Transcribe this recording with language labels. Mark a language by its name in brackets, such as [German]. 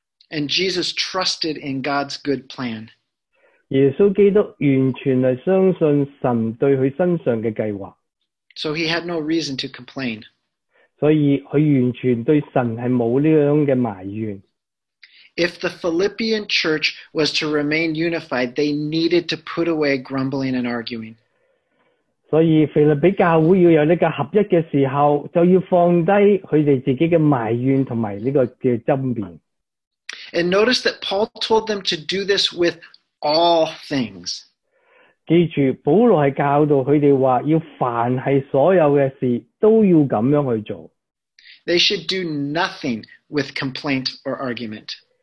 [English] And Jesus trusted in God's good plan. [Chinese] 耶稣基督完全相信神对他身上的计划。 [English] So he had no reason to complain. [Chinese] 所以他完全对神是没有这样的埋怨。 [English] If the Philippian church was to remain unified, they needed to put away grumbling and arguing. [Chinese] 所以腓立比教会要有这个合一的时候, 就要放低他们自己的埋怨和这个争辩。 [English] And notice that Paul told them to do this with all things. [Chinese] 记住, 保罗是教导他们说, [English] They should do nothing with complaint or argument.